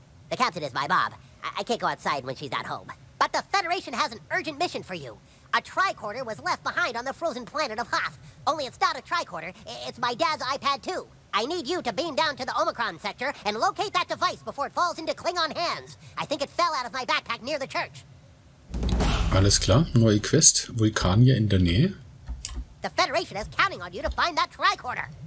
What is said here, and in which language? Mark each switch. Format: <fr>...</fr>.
<en>The captain is my mom. I can't go outside when she's not home. But the Federation has an urgent mission for you. A tricorder was left behind on the frozen planet of Hoth. Only it's not a tricorder, it's my dad's iPad 2. I need you to beam down to the Omicron sector and locate that device before it falls into Klingon hands. I think it fell out of my backpack near the church.</en> <de>Alles klar, neue Quest, Vulkanier in der Nähe.</de> <en>The Federation is counting on you to find that tricorder.</en>